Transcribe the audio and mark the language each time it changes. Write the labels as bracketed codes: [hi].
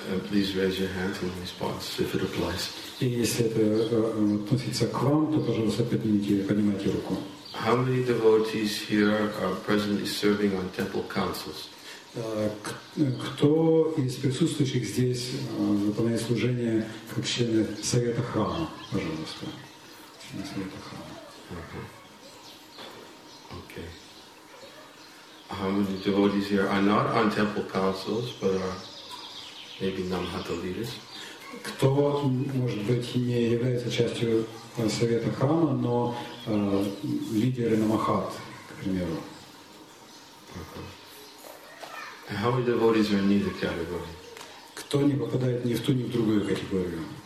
[en] And please raise your hand in response if it applies. [ru] И если это относится к вам, то пожалуйста поднимите руку. [en] How many devotees here are presently serving on temple councils? [ru] Кто из присутствующих здесь выполняет служение как члены совета храма, пожалуйста? Совета храма. [en] Okay. How many devotees here are not on temple councils, but are maybe Namhata leaders? [ru] Кто, может быть, не является частью совета храма, но лидеры Намахат, к примеру? [en] How many devotees are in neither category? [ru] Кто не попадает ни в ту, ни в другую категорию?